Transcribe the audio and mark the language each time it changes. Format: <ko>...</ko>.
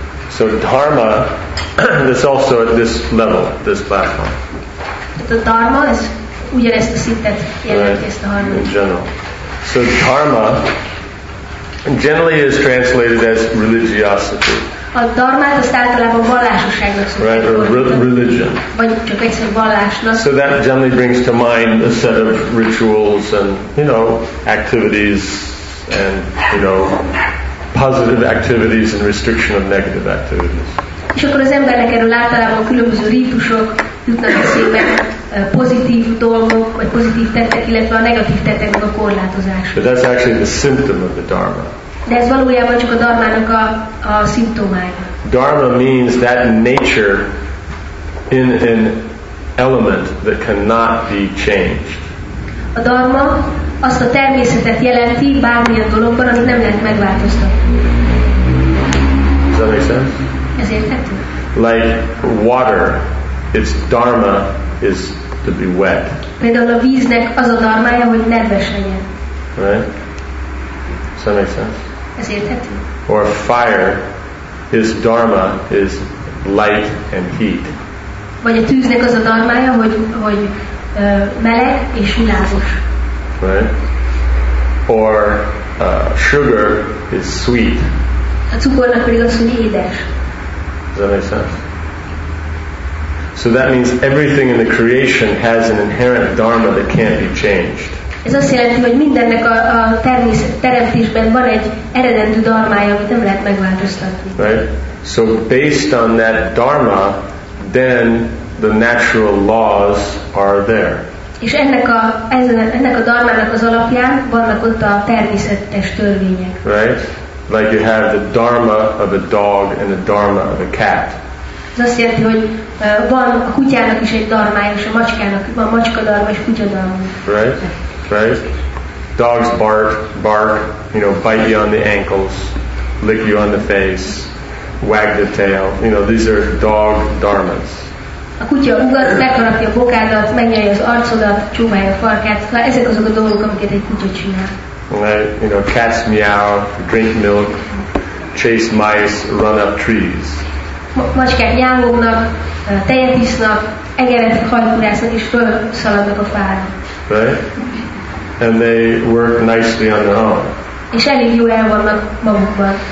<en>So dharma is also at this level, this platform. The dharma is</en> <hu>ugyanezt a szintet jelenti,</hu> <en>right. General. So dharma generally is translated as religiosity.</en> <hu>A dharmát azt általában vallásosságnak szokták.</hu> <en>Right, or religion.</en> <hu>Vagy csak egyszerűen vallásnak.</hu> <en>So that generally brings to mind a set of rituals and, you know, activities and, you know, positive activities and restriction of negative activities.</en> <hu>És akkor az embernek erről általában különböző rítusok jutnak eszébe, pozitív dolgok, vagy pozitív tettek, illetve a negatív tetteknek a korlátozása.</hu> <en>But that's actually the symptom of the dharma.</en> <hu>De ez valójában csak a dharmának a szimptomája.</hu> <en>Dharma means that nature in an element that cannot be changed.</en> <hu>A dharma azt a természetet jelenti bármilyen dologban, amit nem lehet megváltoztatni.</hu> <en>Does that make sense?</en> <hu>Ez érthető?</hu> <en>Like water, its dharma is to be wet.</en> <hu>Például a víznek az a dharmája, hogy nedves legyen.</hu> <en>Right? Does that make sense?</en> <hu>Ez érthető?</hu> <en>Or fire, its dharma is light and heat.</en> <hu>Vagy a tűznek az a dharmája, hogy meleg és világos.</hu> <en>Right? Or sugar is sweet.</en> <hu>A cukornak pedig az, hogy édes.</hu> <en>Does that make sense? So that means everything in the creation has an inherent dharma that can't be changed.</en> <hu>Ez azt jelenti, hogy mindennek a teremtésben van egy eredendő dharmája, amit nem lehet megváltoztatni.</hu> <en>Right? So based on that dharma, then the natural laws are there.</en> <hu>És ennek a dharmának az alapján vannak ott a természetes törvények.</hu> <en>Right? Like you have the dharma of a dog and the dharma of a cat.</en> <hu>Ez azt jelenti, hogy van a kutyának is egy dharmája, és a macskának van macska dharma és kutya dharma.</hu> <en>Right? Dogs bark, you know, bite you on the ankles, lick you on the face, wag the tail. You know, these are dog dharmas.</en> <hu>A kutya ugat, megharapja a bokádat, megnyeli az arcodat, csúmálja a farkát. Ezek azok a dolgok, amiket egy kutya csinál.</hu> <en>You know, cats meow, drink milk, chase mice, run up trees.</en> <hu>Macskák nyálognak, tejet isznak, egeret hajkurásznak és fölszaladnak a fára.</hu> <en>Right? And they work nicely on their own.</en> <hu>És elég jól el vannak magukban.</hu>